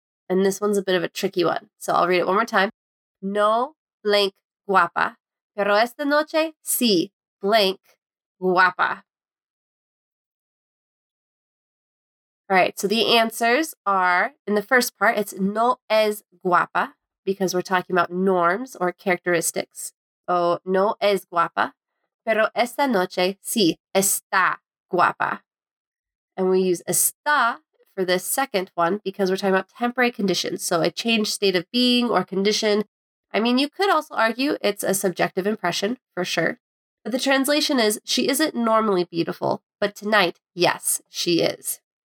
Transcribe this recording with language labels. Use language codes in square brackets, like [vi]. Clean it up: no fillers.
[en] And this one's a bit of a tricky one, so I'll read it one more time. No blank guapa, [es] Pero esta noche, sí, blank, guapa. [en] All right, so the answers are, in the first part, it's [es] no es guapa, [en] because we're talking about norms or characteristics. [es] So, no es guapa, pero esta noche, sí, está guapa. [en] And we use está for this second one because we're talking about temporary conditions. So a changed state of being or condition. I mean, you could also argue it's a subjective impression for sure. But the translation is she isn't normally beautiful, but tonight, yes, she is.